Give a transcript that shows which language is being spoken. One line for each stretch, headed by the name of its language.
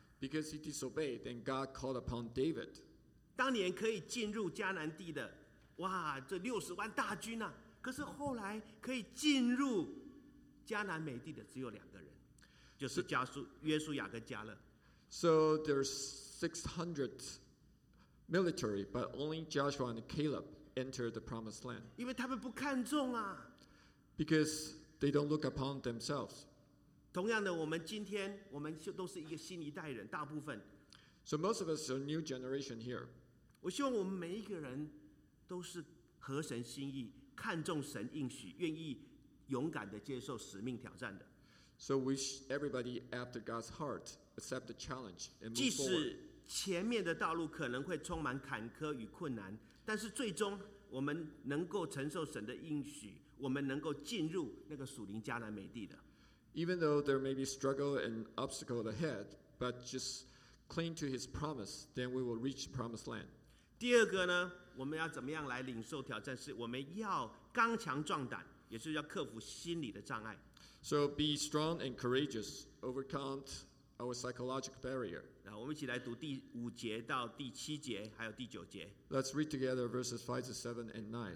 English: Because he disobeyed, then God called upon David.
Chinese: 当年可以进入迦南地的。哇，这六十万大军啊！可是后来可以进入迦南美地的只有两个人，就是约书亚跟加勒。
English: So there's 600 military, but only Joshua and Caleb entered the promised land.
Chinese: 因为他们不看重啊。
English: Because they don't look upon themselves.
Chinese: 同样的，我们今天我们都是一个新一代人，大部分。
English: So most of us are new generation here.
Chinese: 我希望我们每一个人。都是合神心意，看重神应许，愿意勇敢的接受使命挑战的。
English: So wish everybody after God's heart accept the challenge and move forward.
Chinese: 即使前面的道路可能会充满坎坷与困难，但是最终我们能够承受神的应许，我们能够进入那个属灵迦南美地的。
English: Even though there may be struggle and obstacle ahead, but just cling to His promise, then we will reach the promised land.
Chinese: 第二个呢？我们要怎么样来领受挑战？是我们要刚强壮胆，也是要克服心理的障碍。
English: So be strong and courageous, overcome our psychological barrier.
Chinese: 那我们一起来读第五节到第七节，还有第九节。
English: Let's read together verses 5-7 and 9.